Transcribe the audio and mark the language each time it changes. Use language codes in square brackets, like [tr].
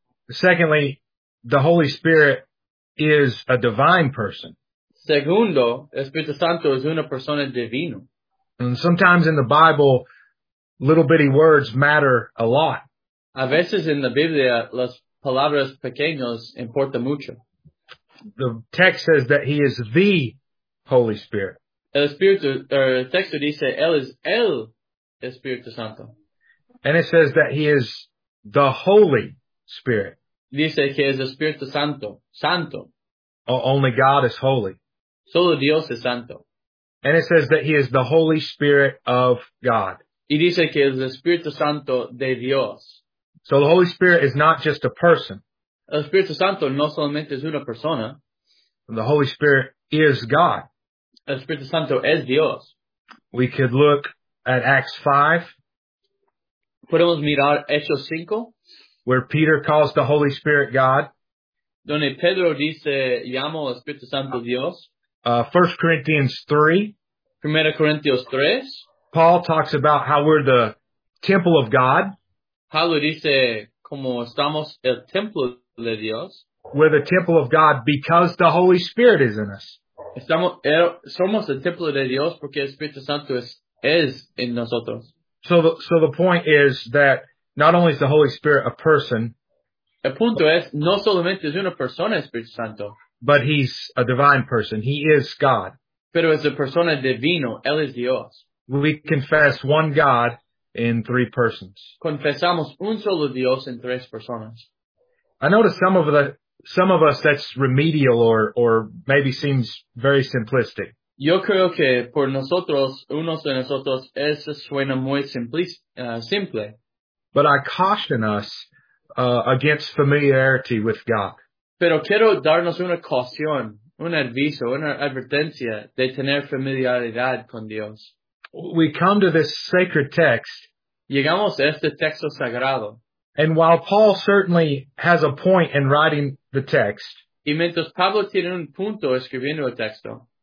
[en] Secondly, the Holy Spirit is a divine person. [es] Segundo, Espíritu Santo es una persona divina. [en] And sometimes in the Bible, little bitty words matter a lot. [es] A veces en la Biblia, las palabras pequeñas importan mucho. [en] The text says that he is the Holy Spirit. [es] El Espíritu, or el texto dice, él es el Espíritu Santo. [en] And it says that he is the Holy Spirit. [es] Dice que es Espíritu Santo, Santo. [en] Only God is holy. [es] Solo Dios es Santo. [en] And it says that he is the Holy Spirit of God. [es] Y dice que es Espíritu Santo de Dios. [en] So the Holy Spirit is not just a person. [es] El Espíritu Santo no solamente es una persona. [en] The Holy Spirit is God. [es] El Espíritu Santo es Dios. [en] We could look at Acts 5. [es] Podemos mirar Hechos 5. [en] Where Peter calls the Holy Spirit God. [es] donde Pedro dice llamo al Espíritu Santo Dios. [en] 1 Corinthians 3. [es] 1 Corinthians 3. [en] Paul talks about how we're the temple of God. [es] Pablo dice como estamos el templo de Dios. [en] We're the temple of God because the Holy Spirit is in us. [es] Somos el templo de Dios porque el Espíritu Santo es en nosotros. [en] So the point is that not only is the Holy Spirit a person. [es] El punto es, no solamente es una persona, Espíritu Santo. [en] But he's a divine person. He is God. [es] Pero es una persona divino. Él es Dios. [en] We confess one God in three persons. [es] Confesamos un solo Dios en tres personas. [en] I noticed some of us that's remedial or maybe seems very simplistic. [es] Yo creo que por nosotros, unos de nosotros, eso suena muy simple. [en] But I caution us against familiarity with God. [es] Pero quiero darnos una caución, un aviso, una advertencia de tener familiaridad con Dios. [en] We come to this sacred text. [es] Llegamos a este texto sagrado. [en] And while Paul certainly has a point in writing the text. [es] Y mientras Pablo tiene un punto escribiendo el texto.